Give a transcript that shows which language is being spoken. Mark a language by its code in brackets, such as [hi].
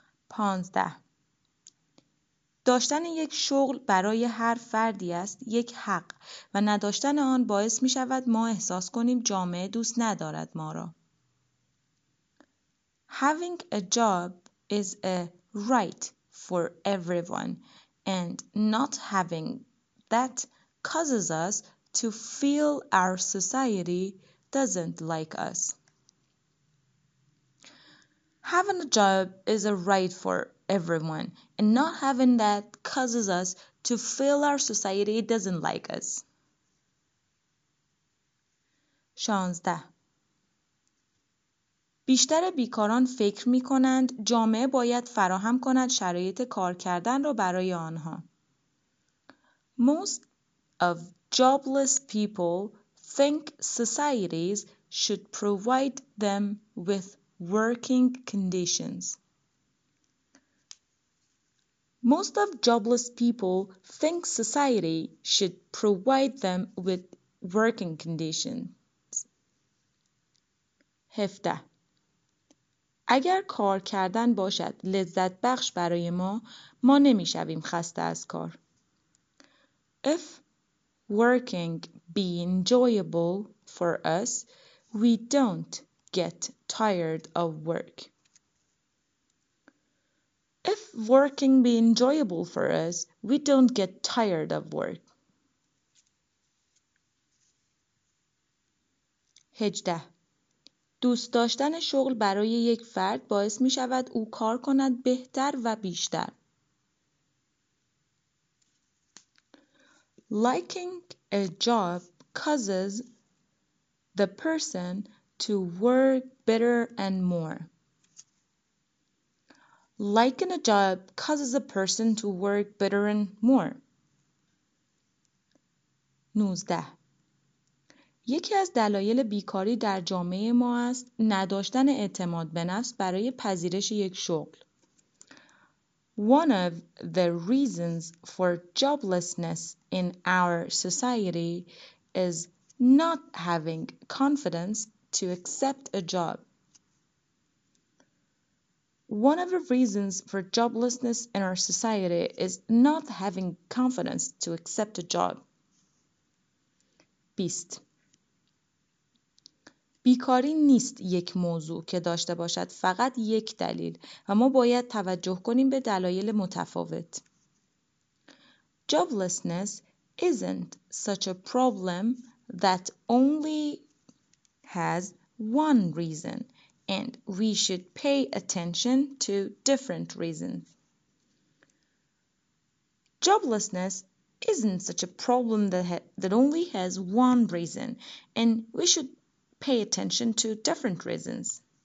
[en] 15. [fa] داشتن یک شغل برای هر فردی است یک حق و نداشتن آن باعث می شود ما احساس کنیم جامعه دوست ندارد ما را. [en] Having a job is a right for everyone and not having that causes us to feel our society doesn't like us. Having a job is a right for everyone and not having that causes us to feel our society doesn't like us. 16. [fa] بیشتر بیکاران فکر می کنند جامعه باید فراهم کند شرایط کار کردن را برای آنها. [en] Most of jobless people think societies should provide them with working conditions. Most of jobless people think society should provide them with working conditions. 17. [fa] اگر کار کردن باشد لذت بخش برای ما نمی شویم خسته از کار. [en] If working be enjoyable for us, we don't get tired of work. If working be enjoyable for us, we don't get tired of work. 18. [fa] دوست داشتن شغل برای یک فرد باعث می شود او کار کند بهتر و بیشتر. [en] Liking a job causes the person to work better and more. Liking a job causes a person to work better and more. 19. [fa] یکی از دلایل بیکاری در جامعه ما است نداشتن اعتماد به نفس برای پذیرش یک شغل. [en] One of the reasons for joblessness in our society is not having confidence to accept a job. One of the reasons for joblessness in our society is not having confidence to accept a job. 20. [fa] بیکاری نیست یک موضوع که داشته باشد فقط یک دلیل و ما باید توجه کنیم به دلایل متفاوت. [en] Joblessness isn't such a problem that only has one reason and we should pay attention to different reasons. Joblessness isn't such a problem that only has one reason and we should pay attention to different reasons.